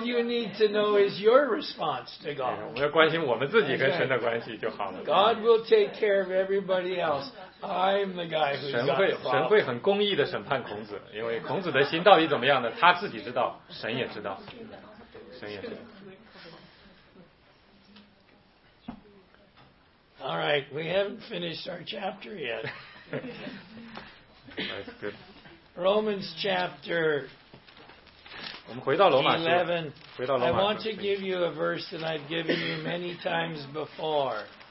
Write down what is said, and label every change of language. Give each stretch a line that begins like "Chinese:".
English: you need to know is your response to God.
Chinese: 我们要关心我们自己跟神的关系就好了。
English: God will take care of everybody else. I'm the guy who's got the problem.
Chinese: 神会很公义的审判孔子，因为孔子的心到底怎么样呢？他自己知道，神也知道，神也知道。
English: All right, we haven't finished our chapter yet. That's good. Romans chapter 11. I want to give you a verse that I've given you many times before.